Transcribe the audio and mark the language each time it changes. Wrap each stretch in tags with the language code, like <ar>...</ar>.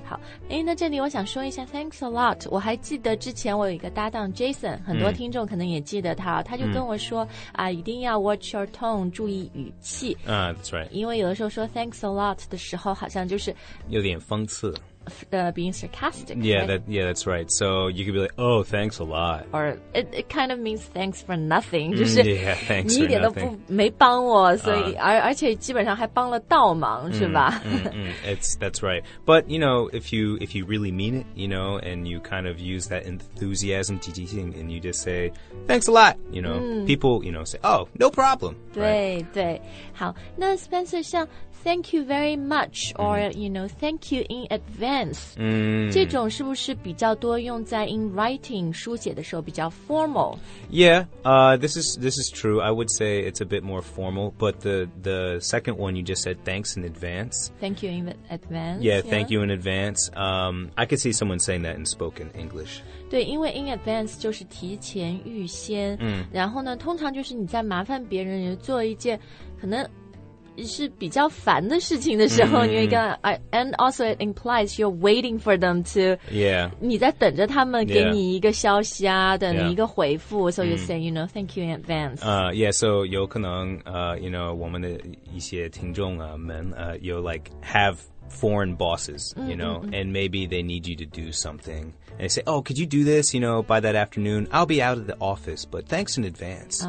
<zh>好，哎，那这里我想说一下 thanks a lot. 我还记得之前我有一个搭档 Jason, 很多听众可能也记得他，他就跟我说啊，一定要</zh> <en>watch your tone,</en> <zh>注意语气。</zh> <en>That's right.</en> <zh>因为有的时候说 thanks a lot 的时候，好像就是有点讽刺。</zh> <en>Being sarcastic. Yeah, right? That's right. So you could be like, oh, thanks a lot. Or it kind of means thanks for nothing.、 Mm,</en> <zh>就是、</zh> <en>yeah, thanks for nothing.</en> <zh>你一点都没帮我所以、而且基本上还帮了倒忙是吧、</zh> <en>That's right. But, you know, if you really mean it, you know, and you kind of use that enthusiasm, 积极性 and you just say, thanks a lot, you know,、people, you know, say, oh, no problem.</en> <zh>对、</zh> <en>right?</en> <zh>对。</zh> <en>好那 Spencer, 像 thank you very much, or,、you know, thank you in advance, Advance.</en> <zh>这种是不是比较多用在</zh> <en>in writing</en> <zh>书写的时候比较 formal?</zh> <en>Yeah, this is true. I would say it's a bit more formal, but the second one you just said, thanks in advance. Thank you in advance. Yeah, thank you in advance. I could see someone saying that in spoken English.</en> <zh>对，因为 in advance 就是提前预先。嗯，然后呢，通常就是你在麻烦别人做一件可能。是比较烦的事情的时候、 mm-hmm. 因为刚刚</zh> <en>and also it implies you're waiting for them to yeah</en> <zh>你在等着他们给你一个消息啊、 yeah. 等一个回复</zh> <en>so you say you know thank you in advance yeah so 有可能you know</en> <zh>我们的一些听众啊们有</zh> <en>like haveForeign bosses, you know, and maybe they need you to do something. And they say, oh, could you do this, you know, by that afternoon? I'll be out of the office, but thanks in advance.</en>